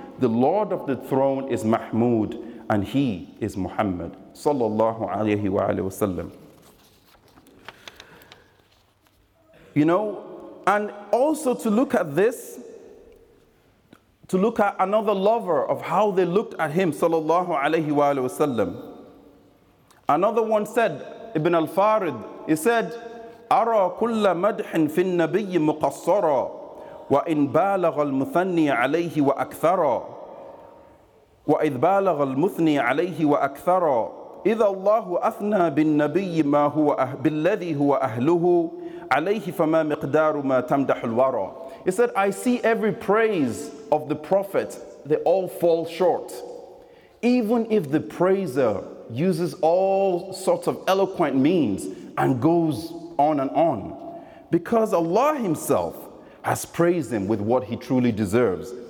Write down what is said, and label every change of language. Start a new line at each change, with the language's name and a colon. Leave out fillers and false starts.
English: The Lord of the throne is Mahmud and he is Muhammad,
Arabic: sallallahu alayhi wa sallam.
English: You know, and also to look at this, to look at another lover of how they looked at him,
Arabic: sallallahu alayhi wa sallam.
English: Another one said, Ibn al-Farid, he said,
Arabic: أرى كل مدح في النبي مقصرا وإن بالغ المثني عليه وأكثرا وإذ بالغ المثني عليه وأكثرا إذا الله أثنى بالنبي ما هو بالذي هو أهله عليه فما مقدار ما تمدح الورى.
English: He said, I see every praise of the prophet, they all fall short. Even if the praiser uses all sorts of eloquent means and goes on and on, because Allah himself has praised him with what he truly deserves.